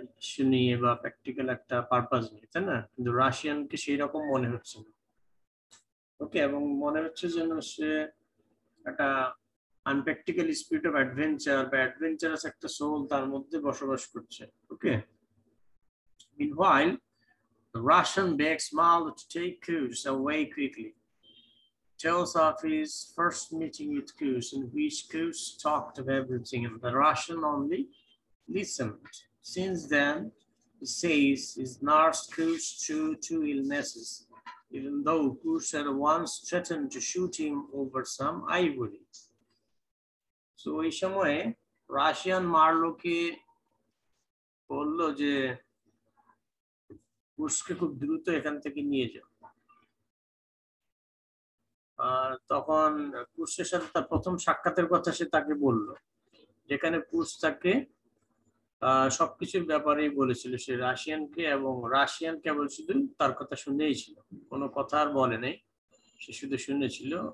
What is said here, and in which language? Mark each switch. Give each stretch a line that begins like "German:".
Bangla: শুনি বা প্র্যাকটিক্যাল একটা পারপাস নিয়ে, তাই না? কিন্তু রাশিয়ানকে সেই রকম মনে হচ্ছে না, ওকে, এবং মনে হচ্ছে যেন সে একটা আনপ্র্যাকটিক্যাল
English: spirit of adventure
Bangla: বা অ্যাডভেঞ্চারাস একটা সোল তার মধ্যে বসবাস করছে, ওকে।
English: Meanwhile, the Russian begs Malo to take Kuz away quickly. Tells of his first meeting with Kuz, in which Kuz talked of everything and the Russian only listened. Since then, he says, he's nursed Kuz through two illnesses, even though Kuz had once threatened to shoot him over some ivory.
Bangla: So, ei shomoye Russian Marlo ke bollo je কুশকে খুব দ্রুত এখান থেকে নিয়ে যাও। আর তখন কুশের সাথে তার প্রথম সাক্ষাতের কথা সে তাকে বলল, যেখানে কুশ তাকে সবকিছুর ব্যাপারেই বলেছিল, সে রাশিয়ানকে, এবং রাশিয়ান কেবল শুধু তার কথা শুনেই ছিল, কোনো কথা আর বলে নাই, সে শুধু শুনেছিল।